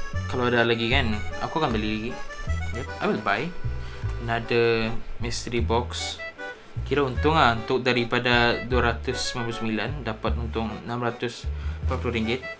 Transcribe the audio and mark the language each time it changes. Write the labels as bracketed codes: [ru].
[ms] Kalau ada lagi kan, aku akan beli lagi. [en] Yep, I will buy another mystery box. [ms] Kira untung ah, untuk daripada RM299 dapat untung RM640.